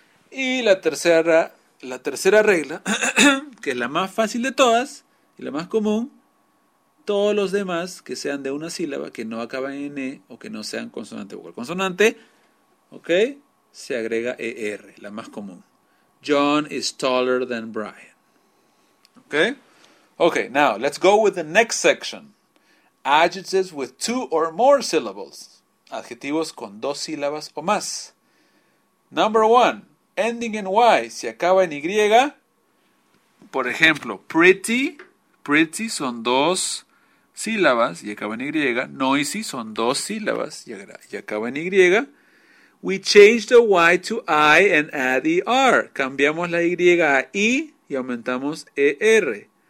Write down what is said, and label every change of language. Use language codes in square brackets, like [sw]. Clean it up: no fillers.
[es] Y la tercera regla, que es la más fácil de todas y la más común, todos los demás que sean de una sílaba, que no acaben en E o que no sean consonante o consonante, ¿ok? Se agrega ER, la más común. [en] John is taller than Brian. ¿Ok? Ok, now let's go with the next section. Adjectives with two or more syllables. [es] Adjetivos con dos sílabas o más. [en] Number one. Ending in Y, [es] si acaba en Y, por ejemplo, pretty son dos sílabas y acaba en Y, noisy son dos sílabas y acaba en Y, [en] we change the Y to I and add ER, [es] cambiamos la Y a I y aumentamos ER,